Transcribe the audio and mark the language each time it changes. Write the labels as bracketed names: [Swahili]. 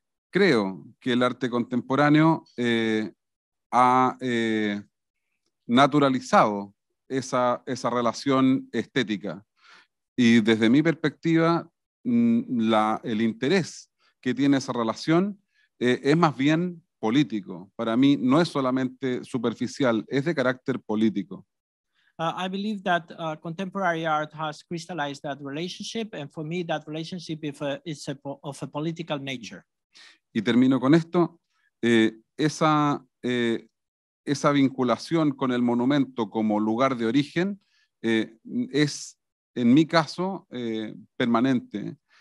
[Spanish] Creo que el arte contemporáneo ha naturalizado esa relación estética. Y desde mi perspectiva, el interés que tiene esa relación es más bien político. Para mí no es solamente superficial, es de carácter político. [English] I believe that contemporary art has crystallized that relationship, and for me that relationship is of a political nature. [Spanish] Y termino con esto. Esa vinculación con el monumento como lugar de origen es, en mi caso, permanente.